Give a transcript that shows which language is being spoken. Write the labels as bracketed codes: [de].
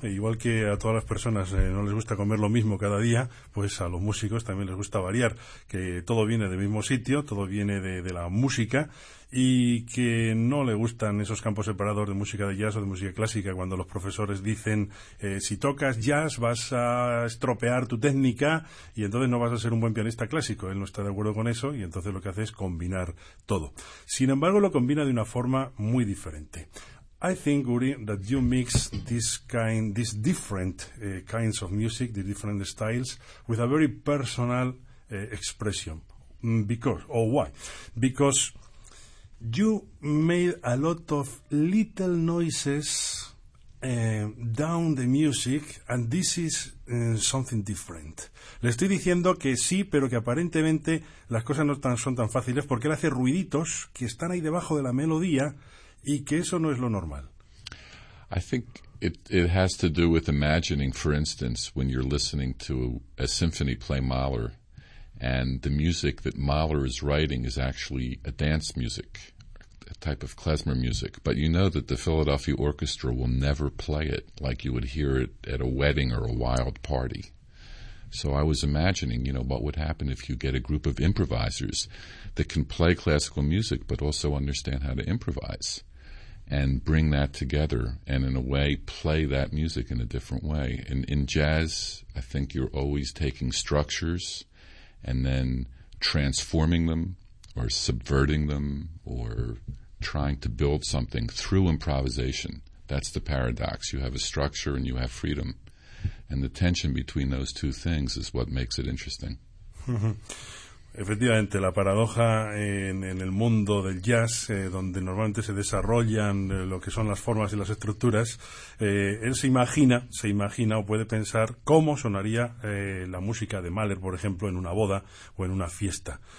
[es] Igual que a todas las personas no les gusta comer lo mismo cada día, pues a los músicos también les gusta variar, que todo viene del mismo sitio, todo viene de la música, y que no le gustan esos campos separados de música de jazz o de música clásica cuando los profesores dicen, si tocas jazz vas a estropear tu técnica y entonces no vas a ser un buen pianista clásico. Él no está de acuerdo con eso y entonces lo que hace es combinar todo. Sin embargo, lo combina de una forma muy diferente. [en] I think, Uri, that you mix these different kinds of music, the different styles, with a very personal expression. Why? Because you made a lot of little noises down the music, and this is something different. Le estoy diciendo que sí, pero que aparentemente las cosas no son tan fáciles, porque él hace ruiditos que están ahí debajo de la melodía, y que eso no es lo normal. I think it has to do with imagining, for instance, when you're listening to a symphony play Mahler, and the music that Mahler is writing is actually a dance music, a type of klezmer music. But you know that the Philadelphia Orchestra will never play it like you would hear it at a wedding or a wild party. So I was imagining, you know, what would happen if you get a group of improvisers that can play classical music but also understand how to improvise and bring that together and in a way play that music in a different way. In jazz, I think you're always taking structures and then transforming them or subverting them or trying to build something through improvisation. That's the paradox. You have a structure and you have freedom. And the tension between those two things is what makes it interesting. [es] Efectivamente, la paradoja en el mundo del jazz, donde normalmente se desarrollan lo que son las formas y las estructuras, él se imagina o puede pensar cómo sonaría la música de Mahler, por ejemplo, en una boda o en una fiesta.